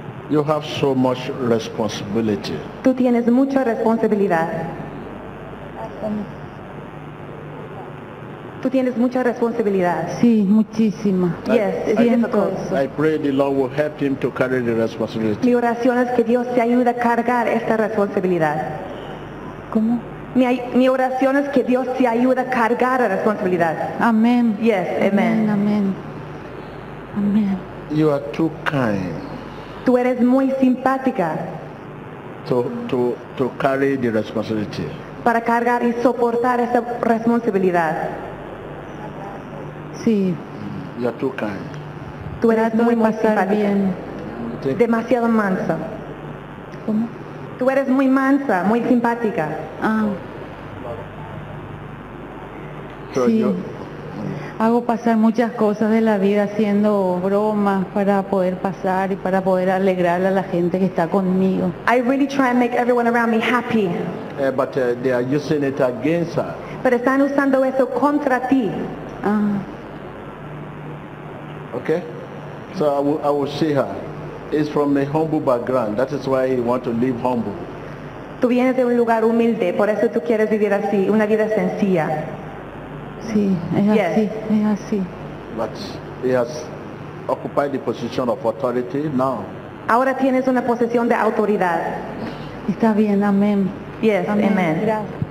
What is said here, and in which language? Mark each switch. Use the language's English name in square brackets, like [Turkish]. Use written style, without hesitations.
[English] You have so much responsibility. [Spanish] Tú tienes mucha responsabilidad. Tú tienes mucha responsabilidad. Sí, muchísima. [English] I pray the Lord will help him to carry the responsibility. [Spanish] Mi oración es que Dios te ayude a cargar esta responsabilidad. ¿Cómo? Mi oración es que Dios te ayude a cargar la responsabilidad. Amén. [English] Yes, amen. [Spanish] Amén. Amén. [English] You are too kind. [Spanish] Tú eres muy simpática. [English] To carry the responsibility. [Spanish] Para cargar y soportar esta responsabilidad. Sí. [English] You are too kind. [Spanish] Tú eres muy simpática. Bien. Demasiado mansa. ¿Cómo? Tú eres muy mansa, muy simpática. Ah. Sí. Hago pasar muchas cosas de la vida haciendo bromas para poder pasar y para poder alegrar a la gente que está conmigo. [English] I really try and make everyone around me happy. But they are using it against her. [Spanish] Pero están usando eso contra ti. Ah. [English] Okay. So I will see her. Is from a humble background. That is why he want to live humble. [Spanish] Tú vienes de un lugar humilde, por eso tú quieres vivir así, una vida sencilla. Sí, es así. [English] But he has occupied the position of authority now. [Spanish] Ahora tienes una posición de autoridad. Está bien, amén. [English] Yes, amen.